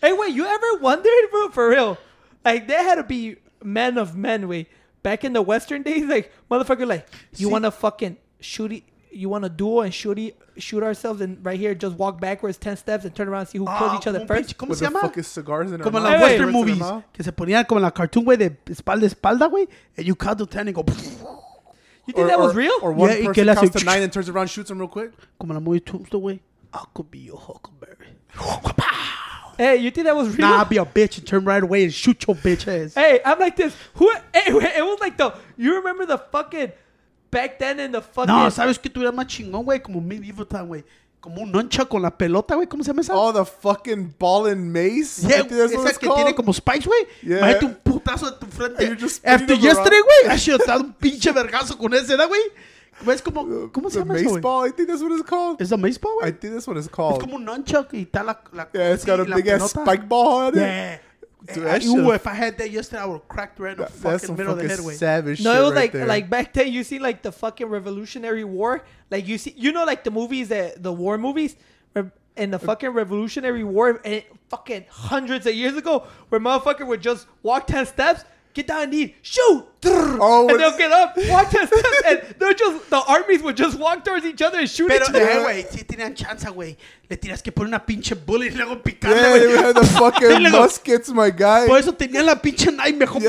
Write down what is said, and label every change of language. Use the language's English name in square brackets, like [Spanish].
[English] Hey, güey, you ever wondered, bro, for real? Like, they had to be men of men, güey. Back in the Western days, like, motherfucker, like, you want to fucking shoot it? You want to duel and shoot ourselves and right here just walk backwards 10 steps and turn around and see who kills each other first? [Spanish] ¿Cómo se llama? [English] Fuck is cigars in [Spanish] como en las Western movies. Que se ponían como en la cartoon, güey, de espalda a espalda, güey. [English] And you count to 10 and go... You think that was real? Or one person counts to 9 and turns around and shoots him real quick? [Spanish] Como en la [English] movie Tombstone, güey. I could be your huckleberry. Hey, you think that was real? Nah, I'll be a bitch and turn right away and shoot your bitch ass. Hey, I'm like this. Who? Hey, it was like the... You remember the fucking... Back then in the fucking... [Spanish] No, ¿sabes que tú eras más chingón, güey? Como [English] medieval time, [Spanish] güey. Como un nuncha con la pelota, güey. ¿Cómo se llama esa? [English] Oh, the fucking ball and mace. [Spanish] Yeah, esa que called? Tiene como spikes, güey. [English] Yeah. [Spanish] Imagínate un putazo de tu frente. [English] After yesterday, [Spanish] güey. Has sido tan un pinche vergazo con ese, güey. ¿Ves como... ¿Cómo se llama eso, güey? [English] The mace ball. I think that's what it's called. ¿Es the mace ball, güey? I think that's what it's called. [Spanish] Es como un nuncha y está la [English] yeah, it's got a big ass spike ball on it. Yeah. Dude, if I had that yesterday, I would have cracked right in the fucking middle of the head. That's some savage shit. No, it was right like there. Like back then, you see like the fucking Revolutionary War. Like you see, you know like the movies, the war movies and the fucking Revolutionary War and fucking hundreds of years ago where motherfucker would just walk 10 steps, get down and knee, shoot. Oh, and they'll get up, watch us. And they're just, the armies would just walk towards each other and shoot each other. [Spanish] Pero, si tenían chance, güey. Le tiras que poner una pinche bullet y luego picarle, güey. [English] Yeah, the fucking muskets, my guy. [Spanish] Por eso tenía la pinche knife, mejor yeah.